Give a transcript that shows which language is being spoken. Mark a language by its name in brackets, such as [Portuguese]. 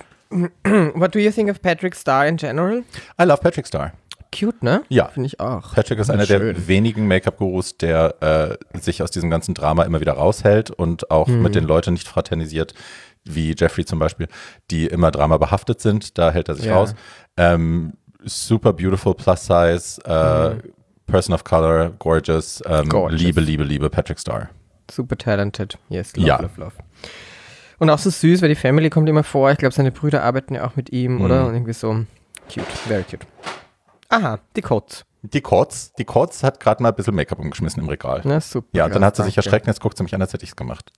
[English] What do you think of Patrick Starr in general? I love Patrick Starr. Cute, ne? [German] Ja. Finde ich auch. Patrick ist einer der wenigen Make-up-Gurus, der sich aus diesem ganzen Drama immer wieder raushält und auch mit den Leuten nicht fraternisiert, wie Jeffree zum Beispiel, die immer Drama behaftet sind. Da hält er sich raus. [English] Super beautiful, plus size, person of color, gorgeous, gorgeous. [German] Liebe, liebe, liebe Patrick Starr. [English] Super talented. Yes, love, love, love. [German] Und auch so süß, weil die Family kommt immer vor. Ich glaube, seine Brüder arbeiten ja auch mit ihm, oder? Und irgendwie so [English] cute, very cute. [German] Aha, die Kotz. Die Kotz. Die Kotz hat gerade mal ein bisschen Make-up umgeschmissen im Regal. Na, super. Ja, und dann hat sie sich erschreckt und jetzt guckt sie mich an, als hätte ich es gemacht.